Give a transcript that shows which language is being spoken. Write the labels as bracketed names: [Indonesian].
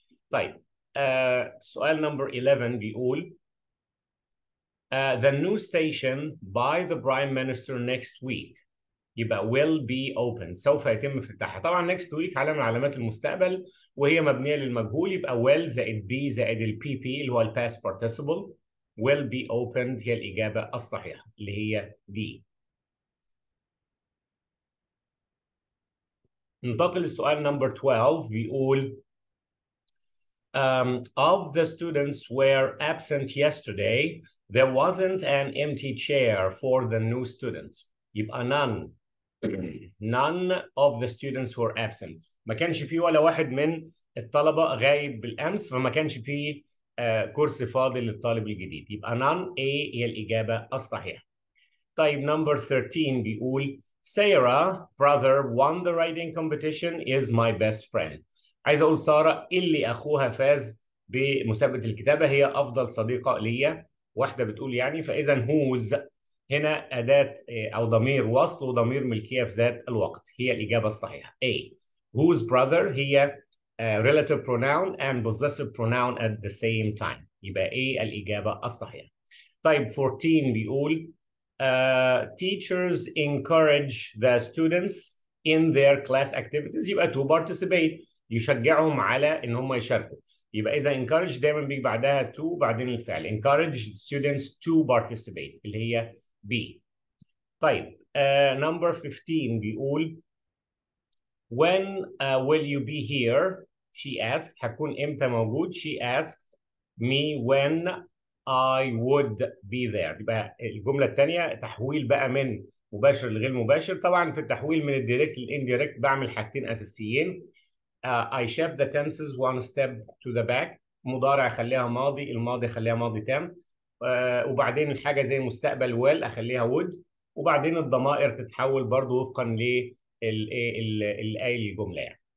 [Arabic] طيب سؤال نمبر 11 بيقول [English] the new station by the prime minister next week [Arabic] يبقى [English] will be open [Arabic] سوف يتم افتتاحها طبعا next week علامة من علامات المستقبل وهي مبنية للمجهول يبقى will زائد be زائد ال PP اللي هو ال past participle [English] will be opened [Arabic] هي الإجابة الصحيحة اللي هي D. ننتقل للسؤال [English] number 12 بيقول of the students were absent yesterday there wasn't an empty chair for the new students. [Arabic] يبقى [English] none of the students were absent. [Arabic] ما كانش فيه ولا واحد من الطلبة غايب بالأمس فما كانش فيه كرسي فاضي للطالب الجديد. يبقى نون A هي الإجابة الصحيحة. طيب نمبر 13 بيقول [English] Sara brother won the writing competition is my best friend. [Arabic] عايز أقول سارة اللي أخوها فاز بمسابقة الكتابة هي أفضل صديقة لي، واحدة بتقول يعني. فإذا هوز هنا أداة أو ضمير وصل وضمير ملكية في ذات الوقت، هي الإجابة الصحيحة A. [English] whose brother هي relative pronoun and possessive pronoun at the same time. [Arabic] يبقى A الإجابة الصحيحة. طيب 14 بيقول [English] teachers encourage the students in their class activities [Arabic] يبقى [English] to participate، [Arabic] يشجعهم على ان هم يشاركوا. يبقى اذا encourage دايما بيجي بعدها to بعدين الفعل، [English] encourage the students to participate [Arabic] اللي هي B. [English] طيب number 15 بيقول when will you be here she asked، [Arabic] هتكون امتى موجود. [English] she asked me when I would be there. [Arabic] يبقى الجملة الثانية تحويل بقى من مباشر لغير مباشر. طبعا في التحويل من الديريكت للانديريكت بعمل حاجتين أساسيين. [English] I shift the tenses one step to the back. [Arabic] مضارع أخليها ماضي، الماضي أخليها ماضي تام. وبعدين الحاجة زي مستقبل will أخليها would. وبعدين الضمائر تتحول برضو وفقا للآية الجملة يعني.